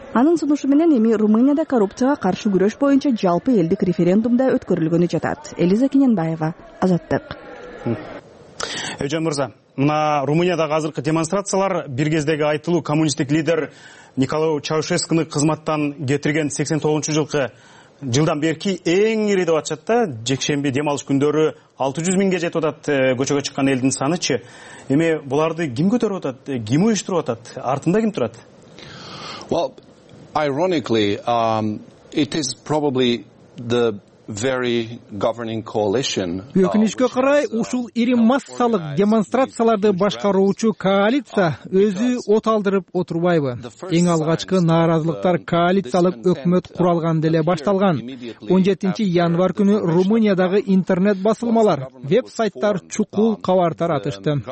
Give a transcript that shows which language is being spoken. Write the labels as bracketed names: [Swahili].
[Kyrgyz] Анын сунушу менен эми Румынияда коррупцияга каршы күрөш боюнча жалпы элдик референдумда өткөрүлгөнү жатат. Элиза Кененбаева, Азаттык. Эвжен мырза, мына Румыниядагы азыркы демонстрациялар бир кездеги айтылуу коммунисттик лидер Николай Чаушескуну кызматтан кетирген 89 жылкы жылдан берки эң ири деп атышат да. Жекшемби дем алыш күндөрү 600 000 жетип атат көчөгө чыккан элдин санычы. Эми буларды ким көтөрүп атат, ким уюштуруп атат, артында ким турат? [English] Well, ironically, it is probably the very governing coalition. [Kyrgyz] Өкүнүчкө карай, ушул ири массалык демонстрацияларды башкаруучу коалиция өзү от алдырып отурбайбы? Эң алгачкы нааразылыктар коалициялык өкмөт куралган деле башталган. 17 январь күнү Румыниядагы интернет басылмалар, веб-сайттар чукул кабар таратышты.